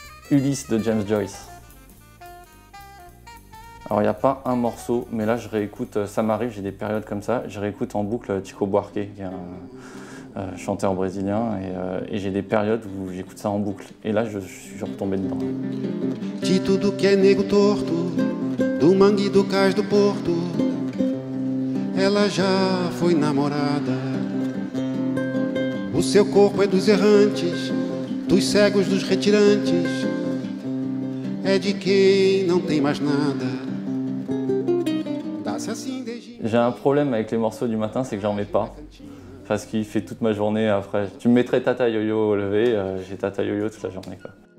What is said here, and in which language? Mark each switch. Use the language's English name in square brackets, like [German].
[French] Ulysse de James Joyce. Alors, il n'y a pas un morceau, mais là, je réécoute, ça m'arrive, j'ai des périodes comme ça, je réécoute en boucle Chico Buarque, qui est un chanteur brésilien, et j'ai des périodes où j'écoute ça en boucle. Et là, je suis retombé dedans. [Portuguese] De tudo que é negro torto, do mangue do cais do porto. Ela já foi namorada. O seu corpo é dos errantes, dos cegos, dos retirantes. É de quem não tem mais nada. Dá-se assim desde. [French] J'ai un problème avec les morceaux du matin, c'est que j'en mets pas. Parce qu'il fait toute ma journée après. Tu mettrais Tata Yo-Yo au lever, j'ai Tata Yo-Yo toute la journée, quoi.